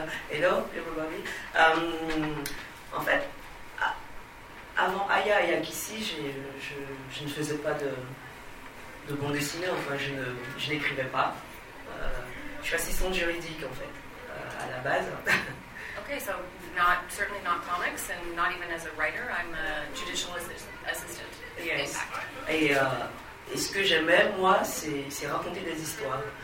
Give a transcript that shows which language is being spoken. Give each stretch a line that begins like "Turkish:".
English: Hello, everybody.
French: En fait, avant Aya et Akissi, je ne faisais pas de bande dessinée, enfin je n'écrivais pas. Je suis assistante juridique en fait, à la base.
English: Okay, so not certainly not comics and not even as a writer, I'm a judicial assistant. Yes.
French: Et ce que j'aimais moi, c'est raconter des histoires.